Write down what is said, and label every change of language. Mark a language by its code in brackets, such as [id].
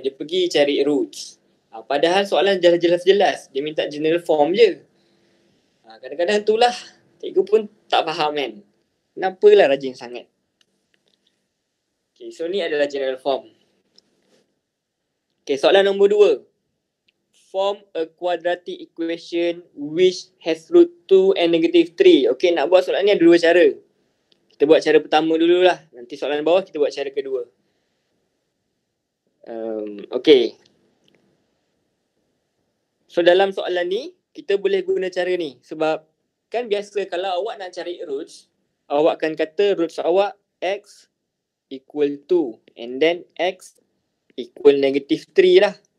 [ms] Dia pergi cari roots. Padahal soalan jelas-jelas. Dia minta general form je. Kadang-kadang tu lah. Cikgu pun tak faham kan. Kenapalah rajin sangat. Okay, so ni adalah general form. Okay, soalan nombor 2. [en] Form a quadratic equation which has root 2 and negative 3. [ms] Okay, nak buat soalan ni ada dua cara. Kita buat cara pertama dululah. Nanti soalan bawah kita buat cara kedua. Okay. So, dalam soalan ni, kita boleh guna cara ni. Sebab kan biasa kalau awak nak cari roots, awak akan kata roots awak [en] x equal 2 and then x equal negative 3 [ms] lah.